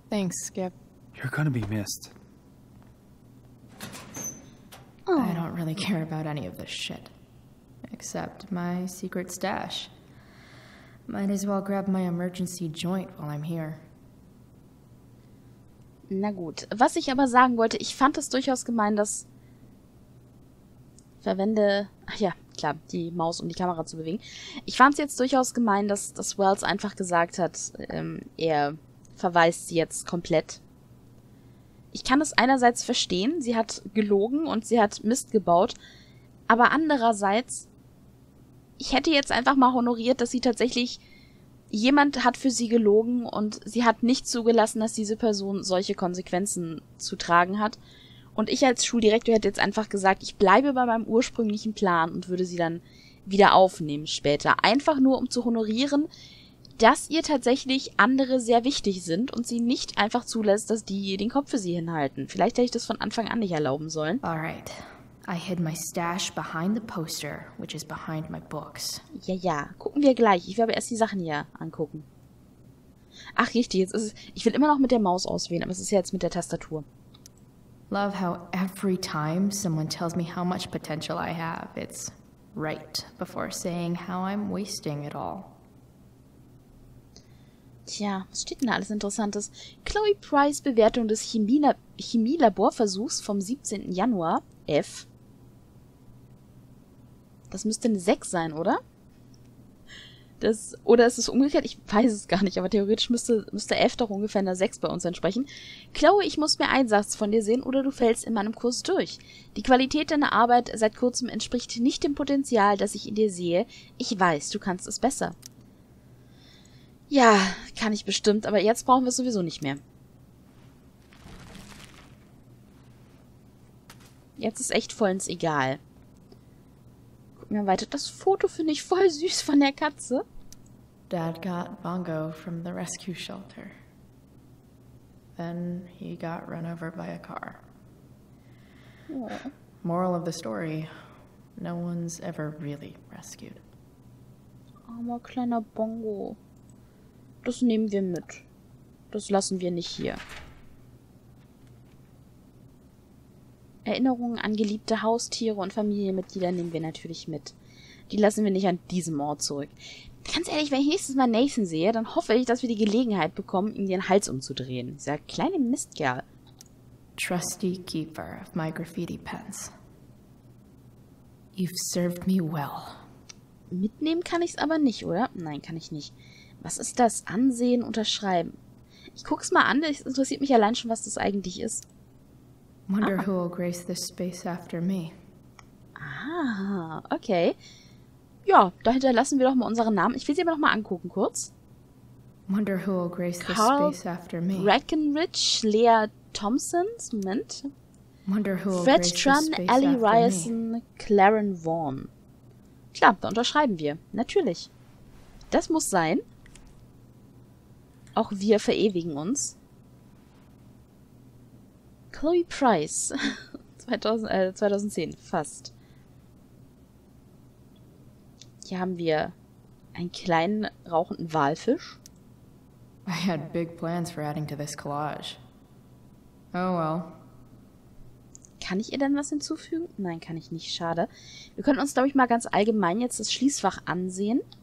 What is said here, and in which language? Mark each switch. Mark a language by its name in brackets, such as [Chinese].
[English] Thanks, Skip. You're gonna be missed. Oh. I don't really care about any of this shit. Except my secret stash. Might as well grab my emergency joint while I'm here. [German] Na gut. Was ich aber sagen wollte, ich fand es durchaus gemein, dass... Verwende... Ach ja, klar, die Maus, um die Kamera zu bewegen. Ich fand es jetzt durchaus gemein, dass, Wells einfach gesagt hat, er verweist sie jetzt komplett. Ich kann es einerseits verstehen, sie hat gelogen und sie hat Mist gebaut. Aber andererseits... Ich hätte jetzt einfach mal honoriert, dass sie tatsächlich, jemand hat für sie gelogen und sie hat nicht zugelassen, dass diese Person solche Konsequenzen zu tragen hat. Und ich als Schuldirektor hätte jetzt einfach gesagt, ich bleibe bei meinem ursprünglichen Plan und würde sie dann wieder aufnehmen später. Einfach nur, um zu honorieren, dass ihr tatsächlich andere sehr wichtig sind und sie nicht einfach zulässt, dass die den Kopf für sie hinhalten. Vielleicht hätte ich das von Anfang an nicht erlauben sollen. [English] Alright. I hid my stash behind the poster, which is behind my books. [German] Ja, ja. Gucken wir gleich. Ich will aber erst die Sachen hier angucken. Ach, richtig. Jetzt ist es, ich will immer noch mit der Maus auswählen, aber es ist ja jetzt mit der Tastatur. [English] Love how every time someone tells me how much potential I have, it's right before saying how I'm wasting it all. [German] Tja, was steht denn alles Interessantes? Chloe Price Bewertung des Chemielaborversuchs vom 17. Januar. F. Das müsste eine 6 sein, oder? Das, oder ist es umgekehrt? Ich weiß es gar nicht, aber theoretisch müsste F doch ungefähr einer 6 bei uns entsprechen. Chloe, ich muss mir einen Satz von dir sehen oder du fällst in meinem Kurs durch. Die Qualität deiner Arbeit seit kurzem entspricht nicht dem Potenzial, das ich in dir sehe. Ich weiß, du kannst es besser. Ja, kann ich bestimmt, aber jetzt brauchen wir es sowieso nicht mehr. Jetzt ist echt vollends egal. Gucken wir weiter. Das Foto finde ich voll süß von der Katze. [English] Dad got Bongo from the rescue shelter. Then he got run over by a car. [German] Ja. [English] Moral of the story, no one's ever really rescued. [German] Armer kleiner Bongo. Das nehmen wir mit. Das lassen wir nicht hier. Erinnerungen an geliebte Haustiere und Familienmitglieder nehmen wir natürlich mit. Die lassen wir nicht an diesem Ort zurück. Ganz ehrlich, wenn ich nächstes Mal Nathan sehe, dann hoffe ich, dass wir die Gelegenheit bekommen, ihm den Hals umzudrehen. Dieser kleine Mistkerl. [English] Trusty keeper of my graffiti pens. You've served me well. [German] Mitnehmen kann ich's aber nicht, oder? Nein, kann ich nicht. Was ist das? Ansehen, unterschreiben. Ich guck's mal an, es interessiert mich allein schon, was das eigentlich ist. [English] Wonder who will grace this space after me. Ah, okay. [German] Ja, dahinter lassen wir doch mal unseren Namen. Ich will sie mir noch mal angucken, kurz. [English] Wonder who will grace Carl this space after me. Breckenridge, Leah Thompsons, Moment. Wonder who will Fred grace Trun, this space Ellie after Ryerson, me. Claren Vaughn. [German] Klar, da unterschreiben wir. Natürlich. Das muss sein. Auch wir verewigen uns. Chloe Price. 2010, fast. Hier haben wir einen kleinen rauchenden Walfisch. I had big plans for adding to this collage. Oh well. Kann ich ihr denn was hinzufügen? Nein, kann ich nicht. Schade. Wir können uns, glaube ich, mal ganz allgemein jetzt das Schließfach ansehen.